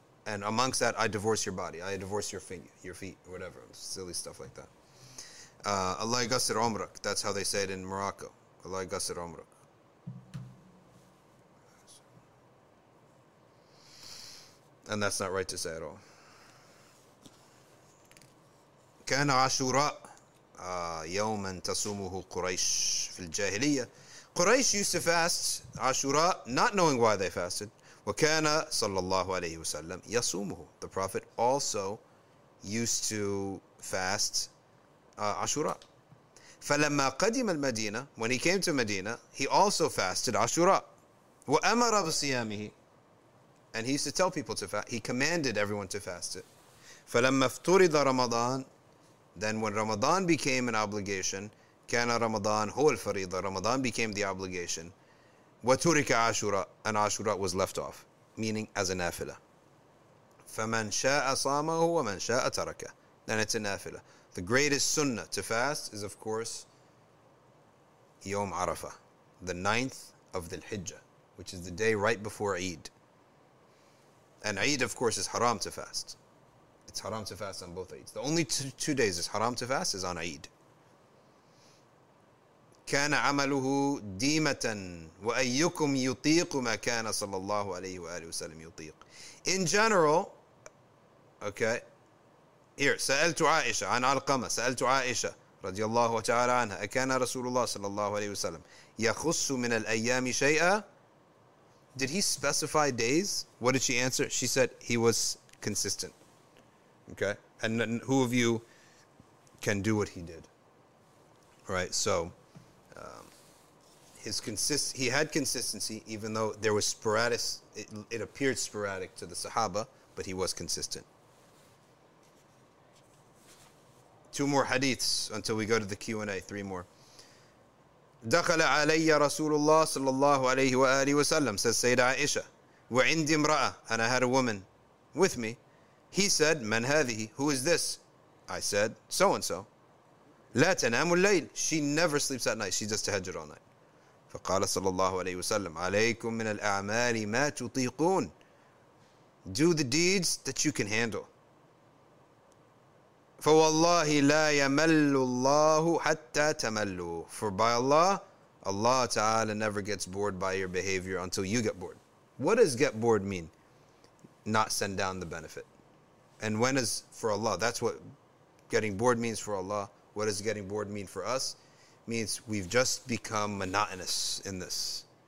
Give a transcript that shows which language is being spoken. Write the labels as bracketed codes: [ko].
[en] And amongst that, I divorce your body. I divorce your feet, whatever. Silly stuff like that. [ar] Allah yaghfir umrak. [en] That's how they say it in Morocco. Allah yaghfir umrak. And that's not right to say at all. [ar] كان عاشوراء يوما تصومه قريش في الجاهلية. [en] قريش used to fast عاشوراء not knowing why they fasted. [ar] وكان صلى الله عليه وسلم يصومه. [en] The Prophet also used to fast عاشوراء. [ar] فلما قدم المدينة, [en] when he came to Medina, he also fasted عاشوراء. [ar] وأمر بصيامه. [en] And he used to tell people to fast. He commanded everyone to fast it. [ar] فلما افترض رمضان, [en] then when Ramadan became an obligation, [ar] كان رمضان هو الفريضة. [en] Ramadan became the obligation. [ar] وترك عاشوراء, [en] and عاشوراء was left off, meaning as a نافلة. [ar] فمن شاء صامه ومن شاء تركه. [en] Then it's a نافلة. The greatest sunnah to fast is, of course, يوم عرفة, the 9th of Dhul Hijjah, which is the day right before Eid. And Eid, of course, is haram to fast. It's haram to fast on both Eids. The only two days is haram to fast is on Eid. [ar] كان عمله ديمة وأيكم يطيق ما كان صلى الله عليه وآله وسلم يطيق. [en] In general, okay, here, [ar] سألت عائشة عن علقمة, سألت عائشة رضي الله تعالى عنها, أكان رسول الله صلى الله عليه وسلم يخص من الأيام شيئا؟ [en] Did he specify days? What did she answer? She said he was consistent. Okay. And who of you can do what he did? Right. So he had consistency, even though there was sporadic, it appeared sporadic to the Sahaba, but he was consistent. Two more hadiths until we go to the Q&A. Three more. [ar] دخل علي رسول الله صلى الله عليه وآله وسلم, [en] says [ar] سيدة عائشة, وعندي امرأة, [en] and I had a woman with me. He said, [ar] من هذه, [en] who is this? I said, so and so. [ar] لا تنام الليل, [en] she never sleeps at night, she does tahajjud all night. [ar] فقال صلى الله عليه وسلم, عليكم من الأعمال ما تطيقون, [en] do the deeds that you can handle. [ar] فوالله لا يمل الله حتى تملوا. [en] For by Allah, Allah Ta'ala never gets bored by your behavior until you get bored. What does get bored mean? Not send down the benefit. And when is for Allah? That's what getting bored means for Allah. What does getting bored mean for us? Means we've just become monotonous in this.